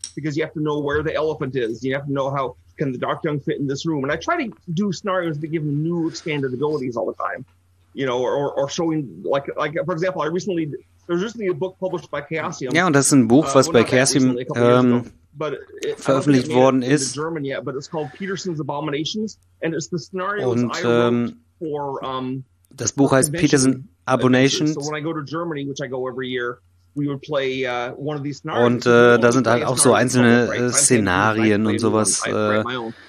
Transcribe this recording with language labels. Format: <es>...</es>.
<en>Because you have to know where the elephant is. You have to know how can the Dark Young fit in this room. And I try to do scenarios that give them new expanded abilities all the time, you know, or showing like for example, there's recently a book published by Chaosium. Yeah, and that's a book was by Chaosium</en> <de>veröffentlicht worden</de> <en>is. In German yet, but it's called Peterson's Abominations, and it's the scenarios und, I wrote for</en> <de>das Buch heißt Peterson Abomination.</de> <en>So when I go to Germany, which I go every year, we would play one of these scenarios.</en> <de>Und da sind halt auch so einzelne Szenarien und sowas drin.</de>